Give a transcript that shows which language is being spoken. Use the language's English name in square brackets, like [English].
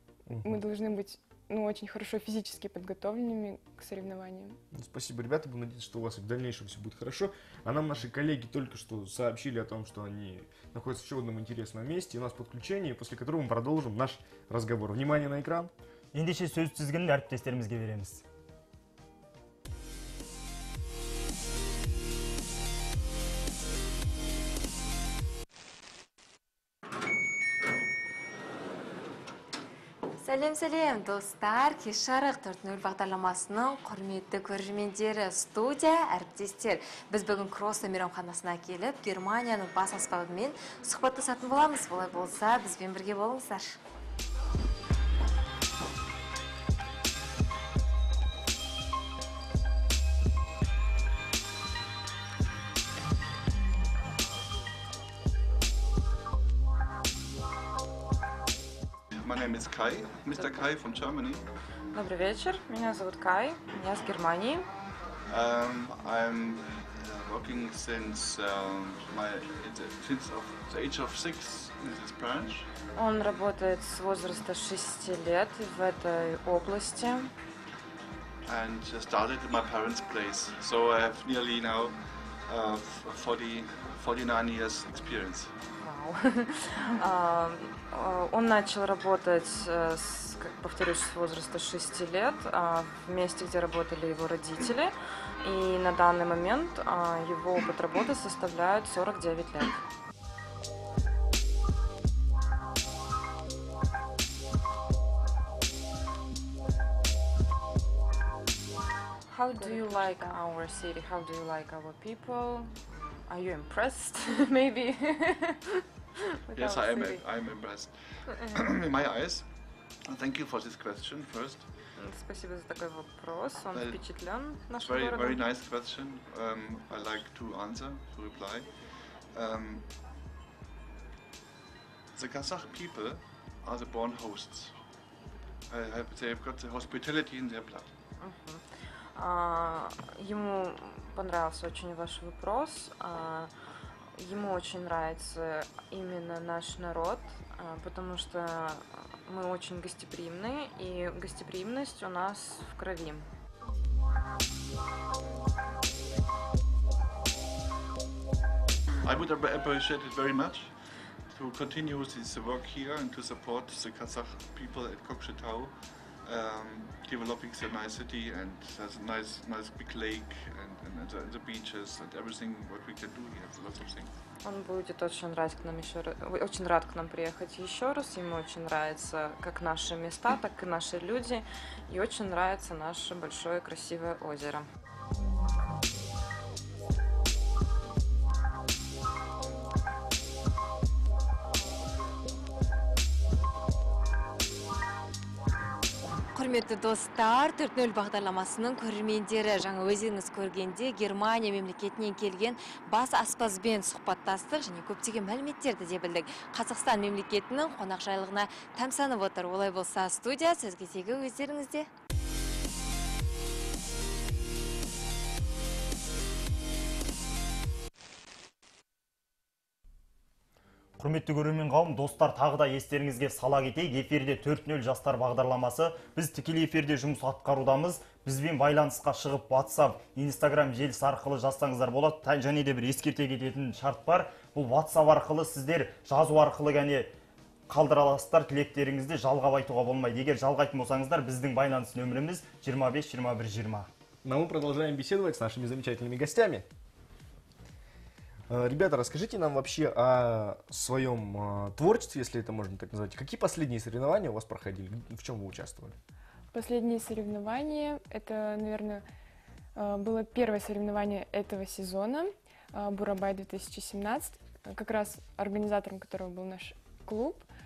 [Russian] Мы должны быть очень хорошо физически подготовленными к соревнованиям. Спасибо, ребята. Буду надеяться, что у вас и в дальнейшем все будет хорошо. А нам наши коллеги только что сообщили о том, что они находятся еще в одном интересном месте. У нас подключение, после которого мы продолжим наш разговор. Внимание на экран. [Kazakh] Ендеше сөз тізгінін әріптестерімізге береміз. Сәлем-сәлем, достар! Кешарық 4.0 бағдарламасының құрметті көрермендері, студия, әріптестер. Біз бүгін Кроссо мейрамханасына келіп, Германияның бас аспабымен сұхбаттасатын боламыз. Олай болса, бізбен бірге болыңыздар. [English] My name is Kai, Mr. Kai from Germany. [Russian] Добрый вечер, меня зовут Кай, я из Германии. [English] I'm working since the age of six in this branch. [Russian] Он работает с возраста 6 лет в этой области. [English] And started in my parents' place, so I have nearly now 49 years experience. [Russian] Он начал работать, повторюсь, с возраста 6 лет в месте, где работали его родители. И на данный момент его опыт работы составляет 49 лет. [English] How do you like our city? How do you like our people? Are you impressed, maybe? Yes, I am impressed. In my eyes, thank you for this question first. [Russian] Спасибо за такой вопрос. Он впечатлен нашим городом. [English] Very, very nice question. I like to answer, to reply. The Kazakh people are the born hosts. They've got the hospitality in their blood. [Russian] Ему понравился очень ваш вопрос. Ему очень нравится именно наш народ, потому что мы очень гостеприимны, и гостеприимность у нас в крови. [English] I would appreciate it very much to continue this work here and to support the Kazakh people at Kokshetau, developing the nice city and has a nice big lake and the beaches and everything what we can do here, lots of things. [Russian] Он будет очень рад к нам еще раз, очень рад к нам приехать еще раз. Ему очень нравится как наши места, так и наши люди, и очень нравится наше большое красивое озеро. [Kazakh] Құрметті достар, 4.0 бағдарламасының көрермендері, жаңа өзіңіз көргенде Германия мемлекетінен келген бас аспазбен сұхбаттастық және көптеген мәліметтерді де білдік. Қазақстан мемлекетінің қонақжайлығына тәмсанып отыр. Олай болса, студия сіз кезегі өздеріңізде. Құрметті көрермен қауым, достар, тағы да естеріңізге сала кетейік. Эфирде 4.0 жастар бағдарламасы. Біз тікелей эфирде жұмыс атқарудамыз. Бізбен байланысқа шығып WhatsApp, Instagram желісі арқылы жазсаңыздар болады. Және де бір ескерте кететін шарт бар. Бұл WhatsApp арқылы сіздер жазу арқылы және қалдыра аласыздар тілектеріңізді, жалғап айтуға болмайды. Егер жалғайтын болсаңыздар, біздің байланыс нөміріміз 25 21 20. [Russian] Мы продолжаем беседовать с нашими замечательными гостями. Ребята, расскажите нам вообще о своем творчестве, если это можно так назвать. Какие последние соревнования у вас проходили? В чем вы участвовали? Последние соревнования, это, наверное, было первое соревнование этого сезона, Бурабай 2017, как раз организатором которого был наш клуб.